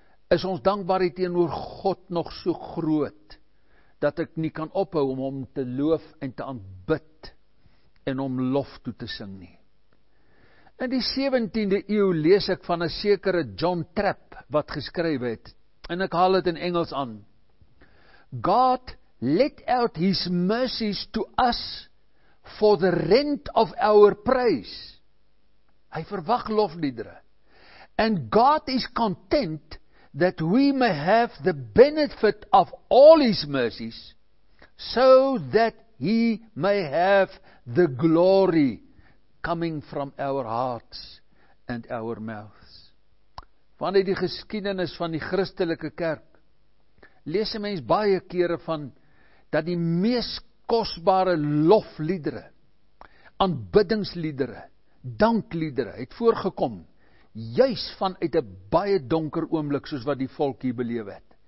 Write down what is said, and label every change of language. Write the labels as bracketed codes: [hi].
[af] Is ons dankbaarheid teenoor God nog so groot dat ek nie kan ophou om hom te loof en te aanbid en om lof toe te sing nie? In die 17de eeuw lees ek van 'n sekere John Trapp wat geskryf het, en ek haal het in Engels aan. [en] God let out his mercies to us for the rent of our praise. [af] Hy verwag lofliedere. [en] And God is content that we may have the benefit of all his mercies so that he may have the glory coming from our hearts and our mouths. [af] Vanuit die geskiedenis van die Christelike kerk lees een mens baie kere van dat die mees kostbare lofliedere, aanbiddingsliedere, dankliedere het voorgekom juis vanuit 'n baie donker oomblik soos wat die volk hier beleef het.